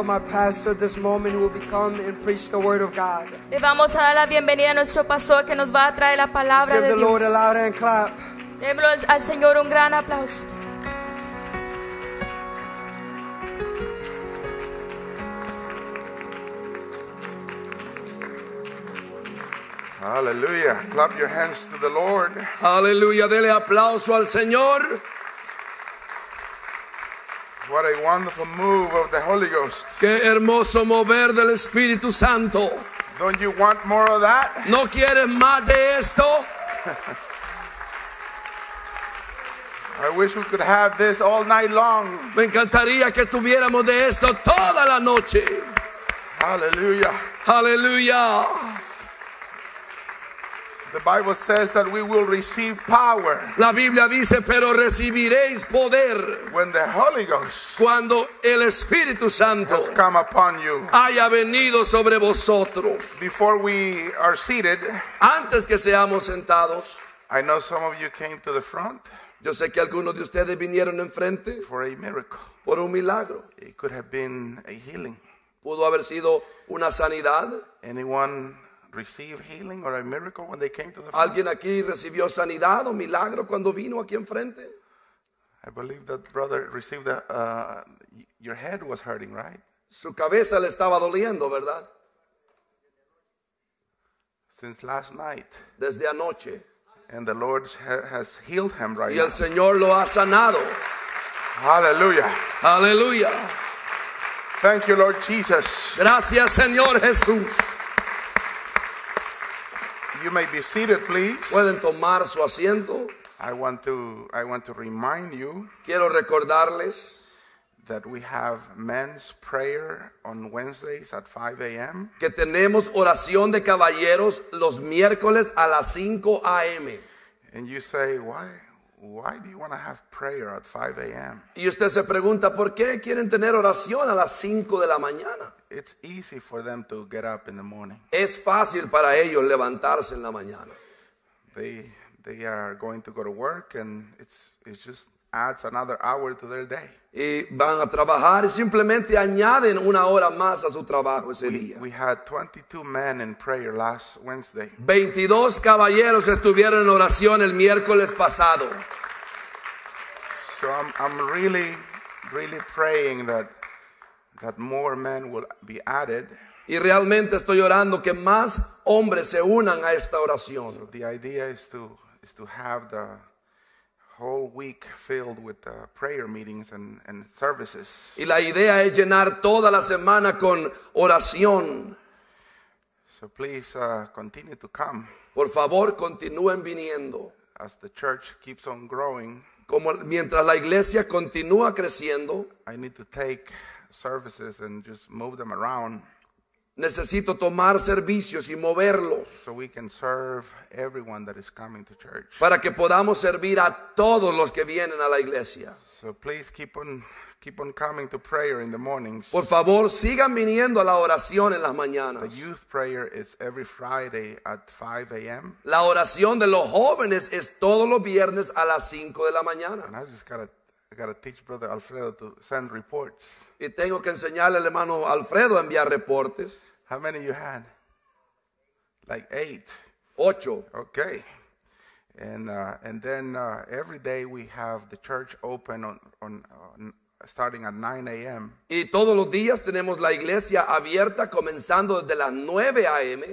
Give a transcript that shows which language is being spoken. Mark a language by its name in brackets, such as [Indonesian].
[English] Pastor, this moment will come and preach the word of God. [Spanish] Le vamos a dar la bienvenida a nuestro pastor que nos va a traer la palabra de Dios. [English] Give the Lord a loud clap. [Spanish] Démelo al Señor un gran aplauso. [English] Hallelujah! Clap your hands to the Lord. [Spanish] Hallelujah! Dele aplauso al Señor. [English] What a wonderful move of the Holy Ghost. [Spanish] Qué hermoso mover del Espíritu Santo. [English] Don't you want more of that? [Spanish] ¿No quieres más de esto? [English] I wish we could have this all night long. [Spanish] Me encantaría que tuviéramos de esto toda la noche. [English] Hallelujah. [Spanish] Hallelujah. [English] The Bible says that we will receive power. [Spanish] La Biblia dice, pero recibiréis poder. [English] When the Holy Ghost. [Spanish] Cuando el Espíritu Santo. [English] Has come upon you. [Spanish] Haya venido sobre vosotros. [English] Before we are seated. [Spanish] Antes que seamos sentados. [English] I know some of you came to the front. [Spanish] Yo sé que algunos de ustedes vinieron enfrente. [English] For a miracle. [Spanish] Por un milagro. [English] It could have been a healing. [Spanish] Pudo haber sido una sanidad. [English] Anyone receive healing or a miracle when they came to the front? [Spanish] ¿Alguien aquí recibió sanidad o milagro cuando vino aquí enfrente? [English] I believe that brother received a your head was hurting, right? [Spanish] Su cabeza le estaba doliendo, ¿verdad? [English] Since last night. [Spanish] Desde anoche. [English] And the Lord has healed him right now. [Spanish] Y el Señor lo ha sanado. [English] Hallelujah. [Spanish] Hallelujah. [English] Thank you, Lord Jesus. [Spanish] Gracias, Señor Jesús. [English] You may be seated, please. [Spanish] Pueden tomar su asiento. [English] I want to remind you. [Spanish] Quiero recordarles [English] that we have men's prayer on Wednesdays at 5 a.m. [Spanish] Que tenemos oración de caballeros los miércoles a las 5 a.m. [English] And you say, why do you want to have prayer at 5 a.m.? [Spanish] Y usted se pregunta, ¿por qué quieren tener oración a las 5 de la mañana? [English] It's easy for them to get up in the morning. [Spanish] Es fácil para ellos levantarse en la mañana. [English] They are going to go to work and it just adds another hour to their day. [Spanish] Y van a trabajar y simplemente añaden una hora más a su trabajo ese día. [English] We had 22 men in prayer last Wednesday. [Spanish] 22 caballeros estuvieron en oración el miércoles pasado. [English] So I'm really, really praying that more men will be added. [Spanish] Y realmente estoy orando que más hombres se unan a esta oración. [English] So the idea is to have the whole week filled with prayer meetings and services. [Spanish] Y la idea es llenar toda la semana con oración. [English] So please continue to come. [Spanish] Por favor, continúen viniendo. [English] As the church keeps on growing. [Spanish] Como mientras la iglesia continúa creciendo. [English] I need to take services and just move them around. [Spanish] Necesito tomar servicios y moverlos. [English] So we can serve everyone that is coming to church. [Spanish] Para que podamos servir a todos los que vienen a la iglesia. [English] So please keep on coming to prayer in the mornings. [Spanish] Por favor, sigan viniendo a la oración en las mañanas. [English] The youth prayer is every Friday at 5 a.m. [Spanish] La oración de los jóvenes es todos los viernes a las 5 de la mañana. [English] And I just gotta I gotta teach Brother Alfredo to send reports. [Spanish] Y tengo que enseñarle al hermano Alfredo a enviar reportes. [English] How many you had? Like 8. [Spanish] 8. [English] Okay. And then every day we have the church open on starting at 9 a.m. [Spanish] Y todos los días tenemos la iglesia abierta comenzando desde las 9 a.m.